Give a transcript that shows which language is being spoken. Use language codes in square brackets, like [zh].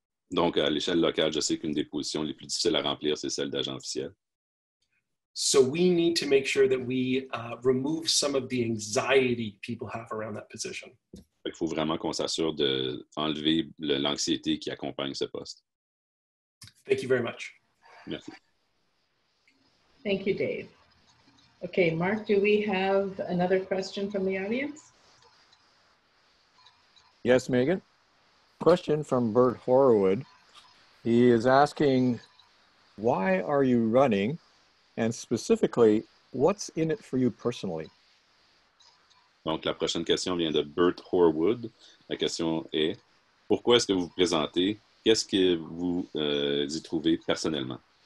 [fr] Donc, à l'échelle locale, je sais qu'une des positions les plus difficiles à remplir, c'est celle d'agent officiel. [en] So we need to make sure that we remove some of the anxiety people have around that position. [fr] Il faut vraiment qu'on s'assure de enlever l'anxiété qui accompagne ce poste. [en] Thank you very much. [fr] Merci. [en] Thank you, Dave. Okay, Mark, do we have another question from the audience? Yes, Megan. Question from Bert Horwood. He is asking, why are you running? And specifically, what's in it for you personally? [fr] Donc, la prochaine question vient de Bert Horwood. La question est, pourquoi est-ce que vous vous présentez? Qu'est-ce que vous y trouvez personnellement?